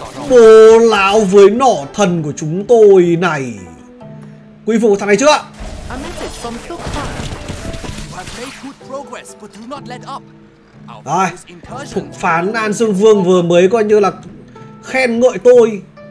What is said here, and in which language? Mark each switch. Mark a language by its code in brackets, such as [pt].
[vi] Bố láo với nỏ thần của chúng tôi này. Quy phục thằng này chưa? [en] A message from Thukphan. I've made good progress, but do not let up. [vi] Rồi, Thục Phán An Dương Vương vừa mới coi như là khen ngợi tôi.